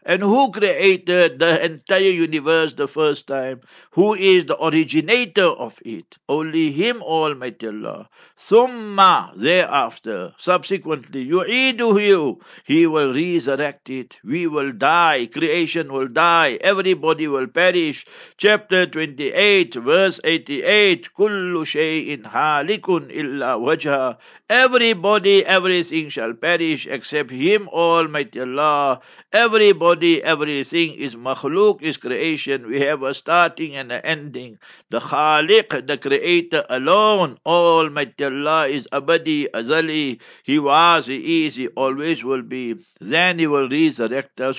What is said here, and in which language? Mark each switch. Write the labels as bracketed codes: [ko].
[en] And who created the entire universe the first time? Who is the originator of it? Only him, Almighty Allah. ثُمَّ, thereafter, subsequently, يُعِيدُهُ, he will resurrect it. We will die, creation will die, everybody will perish. Chapter 28, verse 88, [ar] كُلُّ شَيْءٍ هَالِكٌ إِلَّا وَجْهَ. [en] Everybody, everything shall perish except him, Almighty Allah. Everybody, everything is makhluk, is creation. We have a starting and an ending. The Khaliq, the creator alone, Almighty Allah, is abadi, azali. He was, he is, he always will be. Then he will resurrect us.